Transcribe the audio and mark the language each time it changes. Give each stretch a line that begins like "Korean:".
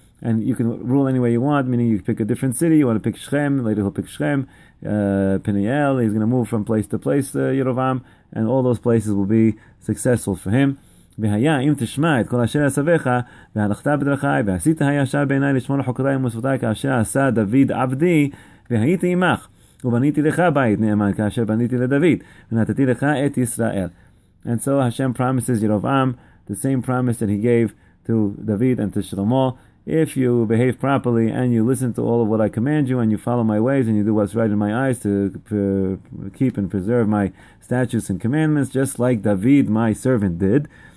English: And you can rule any way you want, meaning you pick a different city. You want to pick Shechem, later he'll pick Shechem, Peniel, he's going to move from place to place, Yerovam, and all those places will be successful for him.
Hebrew: והיה אם תשמע את כל אשר אסבך והלכת בדרכי ועשית הישר בעיני לשמור לחוקותי ומצוותי כאשר עשה דוד עבדי והייתי עמך ובניתי לך בית נאמן כאשר בניתי לדוד ונתתי לך את ישראל.
English: And so Hashem promises Yerovam the same promise that he gave to David and to Shlomo. If you behave properly and you listen to all of what I command you and you follow my ways and you do what's right in my eyes to keep and preserve my statutes and commandments, just like David, my servant, did.